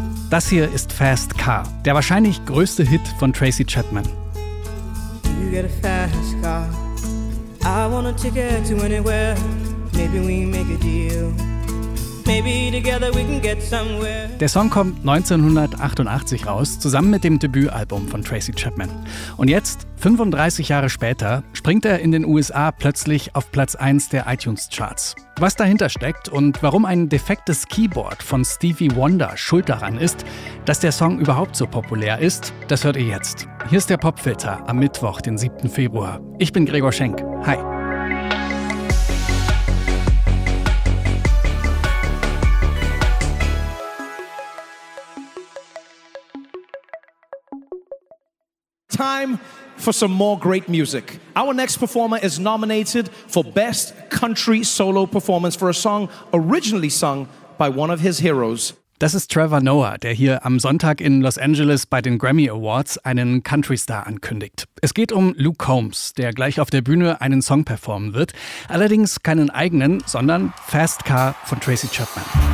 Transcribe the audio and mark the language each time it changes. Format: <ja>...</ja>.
<de>Das hier ist Fast Car, der wahrscheinlich größte Hit von Tracy Chapman.</de> <en>You got a fast car. I want a ticket to anywhere. Maybe we make a deal. Maybe together we can get somewhere.</en> <de>Der Song kommt 1988 raus, zusammen mit dem Debütalbum von Tracy Chapman. Und jetzt, 35 Jahre später, springt er in den USA plötzlich auf Platz 1 der iTunes-Charts. Was dahinter steckt und warum ein defektes Keyboard von Stevie Wonder schuld daran ist, dass der Song überhaupt so populär ist, das hört ihr jetzt. Hier ist der Popfilter am Mittwoch, den 7. Februar. Ich bin Gregor Schenk. Hi.</de> <en>Time for some more great music. Our next performer is nominated for Best Country Solo Performance for a song originally sung by one of his heroes.</en> <de>Das ist Trevor Noah, der hier am Sonntag in Los Angeles bei den Grammy Awards einen Country-Star ankündigt. Es geht um Luke Combs, der gleich auf der Bühne einen Song performen wird. Allerdings keinen eigenen, sondern Fast Car von Tracy Chapman.</de>